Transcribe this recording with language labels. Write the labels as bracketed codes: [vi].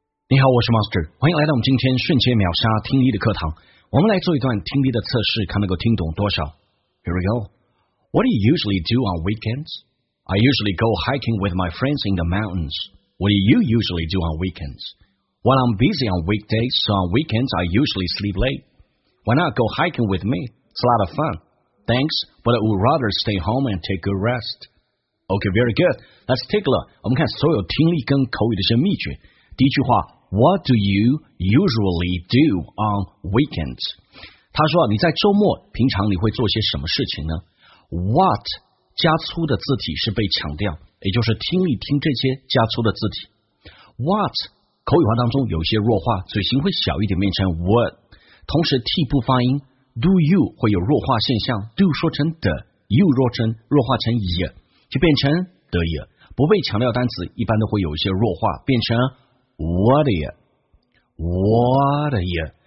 [zh] 你好，我是 Monster， 欢迎来到我们今天瞬间秒杀听力的课堂。我们来做一段听力的测试，看能够听懂多少。 [en] Here we go. What do you usually do on weekends? I usually go hiking with my friends in the mountains. What do you usually do on weekends? Well, I'm busy on weekdays, so on weekends I usually sleep late. Why not go hiking with me? It's a lot of fun. Thanks, but I would rather stay home and take good rest. Okay, very good. Let's take a look. [zh] 我们看所有听力跟口语的一些秘诀。第一句话 [en] What do you usually do on weekends? [zh] 他说你在周末平常你会做些什么事情呢 What 加粗的字体是被强调，也就是听力听这些加粗的字体。 What 口语化当中有些弱化，嘴型会小一点变成 what， 同时 T 不发音， Do you 会有弱化现象， Do 说成 the， You 弱化成 ye， 就变成 the ye， 不被强调单词一般都会有一些弱化，变成 [en] What are you? What are you?